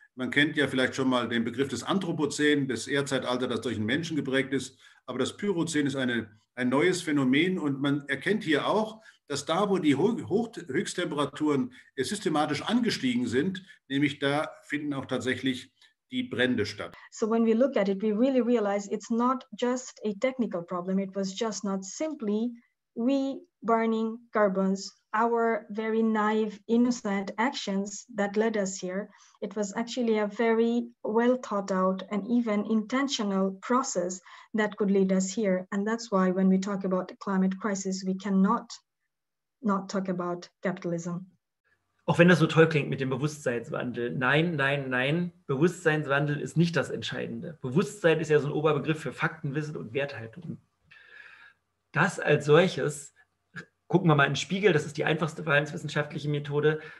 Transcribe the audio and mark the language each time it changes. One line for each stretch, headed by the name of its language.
German: Man kennt ja vielleicht schon mal den Begriff des Anthropozän, des Erdzeitalters, das durch den Menschen geprägt ist. Aber das Pyrozän ist ein neues Phänomen. Und man erkennt hier auch, dass da, wo die Höchsttemperaturen systematisch angestiegen sind, nämlich da finden auch tatsächlich die Brände statt.
English: So when we look at it, we really realize it's not just a technical problem. It was just not simply we burning carbons, our very naive, innocent actions that led us here. It was actually a very well thought out and even intentional process that could lead us here. And that's why when we talk about the climate crisis, we cannot not talk about capitalism.
German: Auch wenn das so toll klingt mit dem Bewusstseinswandel. Nein, nein, nein. Bewusstseinswandel ist nicht das Entscheidende. Bewusstsein ist ja so ein Oberbegriff für Faktenwissen und Werthaltung. Das als solches, gucken wir mal in den Spiegel, das ist die einfachste verhaltenswissenschaftliche Methode.